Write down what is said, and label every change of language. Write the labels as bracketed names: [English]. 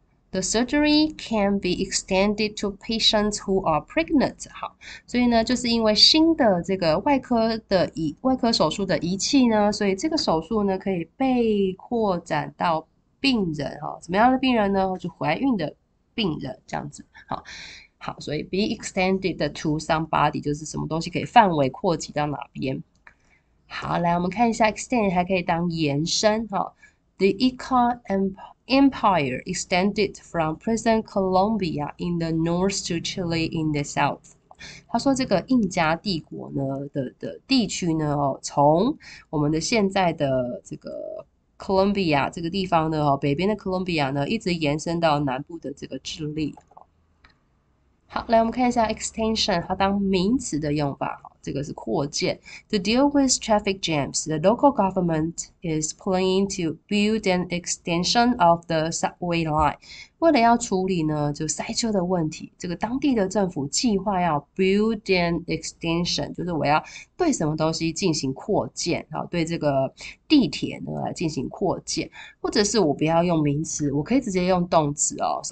[English] The surgery can be extended to patients who are pregnant。 [Chinese] 好，所以呢，就是因为新的这个外科手术的仪器呢，所以这个手术呢可以被扩展到病人哈，怎么样的病人呢？就怀孕的病人这样子。好，好，所以 [English] be extended to somebody [Chinese] 就是什么东西可以范围扩及到哪边。好，来我们看一下 extend 还可以当延伸哈。 [English] The Inca Empire extended from present Colombia in the north to Chile in the south。 [Chinese] 他说，这个印加帝国呢的地区呢，哦，从我们的现在的这个 Colombia 这个地方呢，哦，北边的 Colombia 呢，一直延伸到南部的这个智利。好，来我们看一下 extension，它当名词的用法。好，这个是扩建。 [English] To deal with traffic jams, the local government is planning to build an extension of the subway line。 [Chinese] 为了要处理呢，就塞车的问题，这个当地的政府计划要 [English] build an extension， [Chinese] 就是我要对什么东西进行扩建，好，对这个地铁呢来进行扩建，或者是我不要用名词，我可以直接用动词哦。